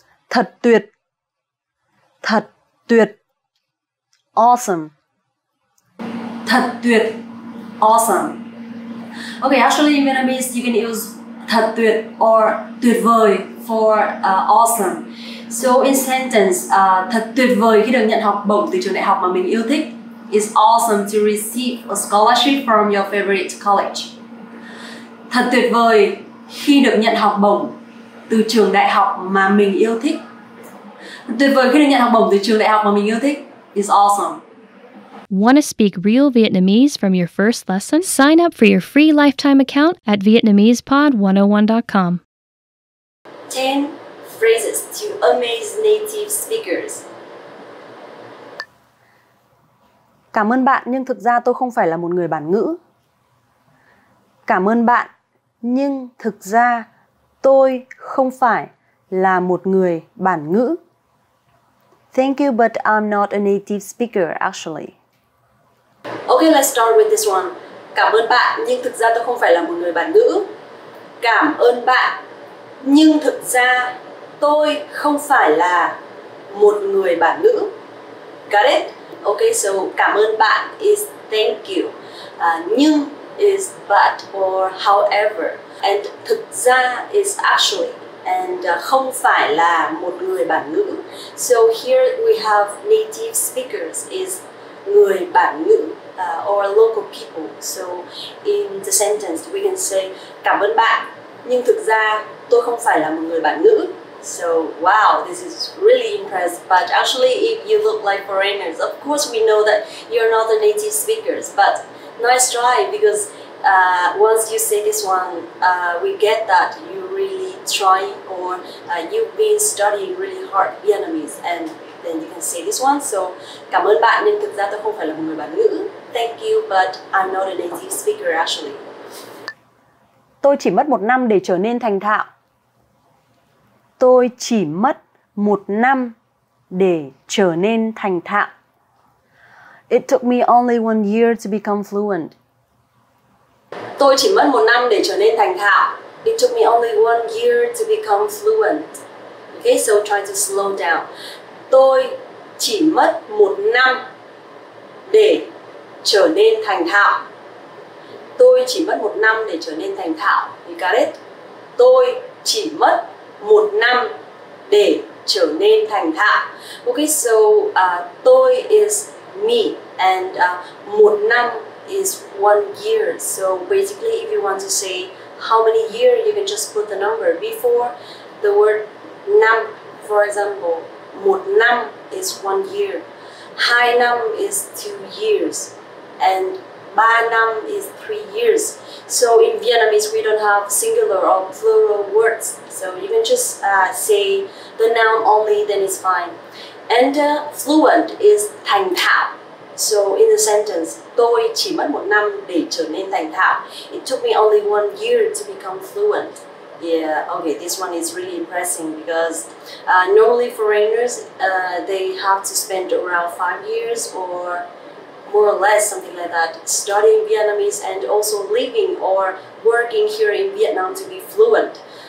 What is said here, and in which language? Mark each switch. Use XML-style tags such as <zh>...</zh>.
<vi>Thật tuyệt. Thật tuyệt.</vi> <en>Awesome.</en> <vi>Thật tuyệt.</vi> <en>Awesome. Okay, actually in Vietnamese you can use thật tuyệt or tuyệt vời for awesome. So in sentence,</en> <vi>thật tuyệt vời khi được nhận học bổng từ trường đại học mà mình yêu thích.</vi> <en>It's awesome to receive a scholarship from your favorite college.</en> <vi>Thật tuyệt vời khi được nhận học bổng từ trường đại học mà mình yêu thích. Tuyệt vời khi được nhận học bổng từ trường đại học mà mình yêu thích.</vi> <en>It's awesome. Want to speak real Vietnamese from your first lesson? Sign up for your free lifetime account at VietnamesePod101.com. 10 phrases to amaze native speakers.</en> <vi>Cảm ơn bạn, nhưng thực ra tôi không phải là một người bản ngữ. Cảm ơn bạn, nhưng thực ra tôi không phải là một người bản ngữ.</vi> <en>Thank you, but I'm not a native speaker, actually. Okay, let's start with this one.</en> <vi>Cảm ơn bạn, nhưng thực ra tôi không phải là một người bản ngữ. Cảm ơn bạn, nhưng thực ra tôi không phải là một người bản ngữ.</vi> <en>Got it? Okay, so cảm ơn bạn is thank you. Nhưng is but or however. And thực ra is actually. And</en> <vi>không phải là một người bản ngữ.</vi> <en>So here we have native speakers is người bản ngữ or local people. So in the sentence we can say</en> <vi>cảm ơn bạn, nhưng thực ra tôi không phải là một người bản ngữ.</vi> <en>So wow, this is really impressive. But actually if you look like foreigners, of course we know that you're not the native speakers, but nice try, because once you say this one, we get that you really try or you've been studying really hard Vietnamese, and then you can say this one.</en> <vi>So cảm ơn bạn, nhưng thực ra tôi không phải là một người bản ngữ.</vi> <en>Thank you, but I'm not a native speaker actually.</en> <vi>Tôi chỉ mất 1 năm để trở nên thành thạo. Tôi chỉ mất 1 năm để trở nên thành thạo.</vi> <en>It took me only 1 year to become fluent.</en> <vi>Tôi chỉ mất 1 năm để trở nên thành thạo.</vi> <en>It took me only 1 year to become fluent. Okay, so try to slow down.</en> <vi>Tôi chỉ mất 1 năm để trở nên thành thạo. Tôi chỉ mất 1 năm để trở nên thành thạo.</vi> <en>You got it?</en> <vi>Tôi chỉ mất 1 năm để trở nên thành thạo.</vi> <en>Okay, so tôi is me, and 1 năm is 1 year. So basically, if you want to say how many years, you can just put the number before the word năm. For example, 1 năm is 1 year. 2 năm is 2 years, and 3 năm is 3 years. So in Vietnamese, we don't have singular or plural words. So you can just say the noun only, then it's fine. And fluent is</en> <vi>thành thạo.</vi> <en>So in the sentence,</en> <vi>tôi chỉ mất 1 năm để trở nên thành thạo.</vi> <en>It took me only 1 year to become fluent. Yeah, okay, this one is really impressive, because normally foreigners, they have to spend around 5 years or more or less something like that, studying Vietnamese and also living or working here in Vietnam to be fluent.</en>